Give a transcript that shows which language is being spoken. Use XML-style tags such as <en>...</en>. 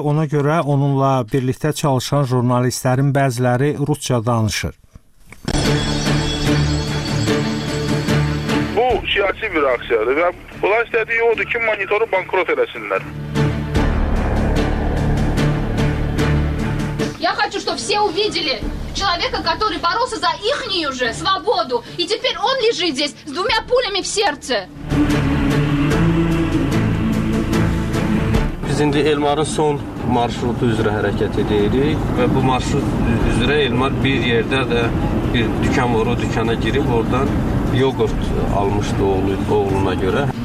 <az>Ona görə onunla birlikdə çalışan jurnalistlərin bəziləri rusca danışır. Siyasi bir aksiyadır və bunlar istədiyi odur ki, monitoru bankrot eləsinlər.</az> <ru>Я хочу, чтобы все увидели человека, который боролся за ихнюю же свободу, и теперь он лежит здесь с двумя пулями в сердце.</ru> <az>Biz indi Elmarın son marşrutu üzrə hərəkət edirik və bu marşrut üzrə Elmar bir yerdə də bir dükan var, o dükana girib oradan yoğurt almışdı oğluna görə.</az>